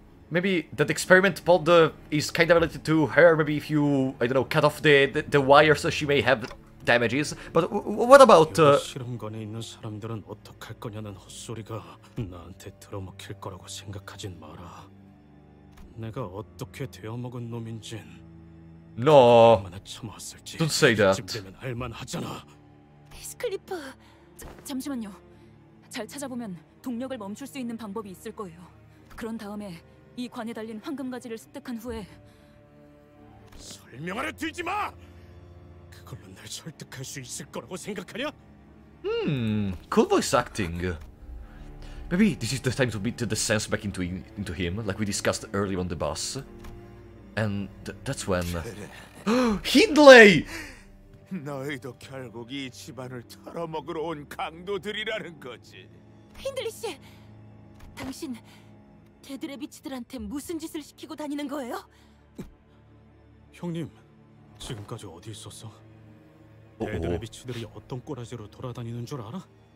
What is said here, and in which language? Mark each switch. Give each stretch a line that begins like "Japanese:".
English: Maybe that experiment pod is kind of related to her. Maybe if you, I don't know, cut off the wires, she may have damages. But what about?
Korean: 실험관에 있는 사람들은 어떡할 거냐는 헛소리가 나한테 들어먹힐 거라고 생각하진 마라. 내가 어떻게 되어먹은 놈인지.
English: No, don't say that.
Korean: Heathcliff, 잠시만요. 잘 찾아보면 동력을 멈출 수 있는 방법이 있을 거예요. 그런 다음에 이 관에 달린 황금 가지를 습득한 후에 설명하려 들지 마. 그걸로 날 설득할 수 있을 거라고 생각하냐?
English: Cool voice acting. Maybe this is the time to beat the sense back into him, like we discussed earlier on the bus. And that's when... Hindley!
Korean: 너희도 결국 이 집안을 털어먹으러 온 강도들이라는 거지. 힌들리 씨! 당신... 개들의 비치들한테 무슨 짓을 시키고 다니는 거예요? 형님, 지금까지 어디 있었어? 개들의 비치들이 어떤 꼬라지로 돌아다니는 줄 알아?